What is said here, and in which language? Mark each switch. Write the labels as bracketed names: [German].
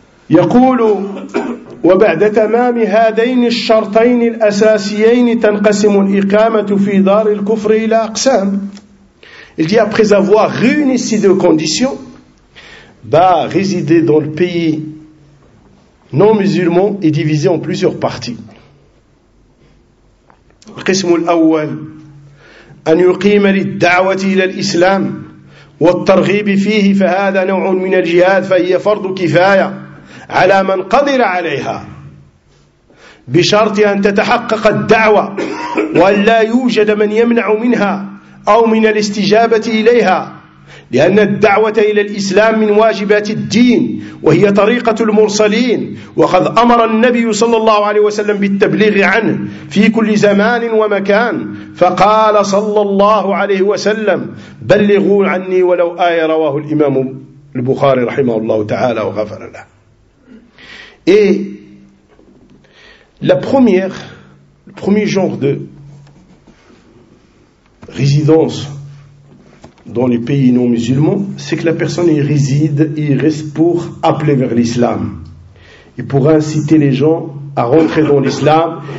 [Arabic] يقول وبعد تمام هذين الشرطين الأساسيين تنقسم الإقامة في دار الكفر إلى أقسام. [French] Il dit après avoir réuni ces deux conditions, résider dans le pays non musulman est divisé en plusieurs parties. [Arabic] القسم الأول أن يقيم للدعوة إلى الإسلام والترغيب فيه فهذا نوع من الجهاد فهي فرض كفاية على من قدر عليها بشرط أن تتحقق الدعوة وأن لا يوجد من يمنع منها أو من الاستجابة إليها لأن الدعوة إلى الإسلام من واجبات الدين وهي طريقة المرسلين وقد أمر النبي صلى الله عليه وسلم بالتبليغ عنه في كل زمان ومكان فقال صلى الله عليه وسلم بلغوا عني ولو آية رواه الإمام البخاري رحمه الله تعالى وغفر له. [French] Et le premier genre de résidence dans les pays non musulmans, c'est que la personne y réside, y reste pour appeler vers l'islam et pour inciter les gens à rentrer dans l'islam.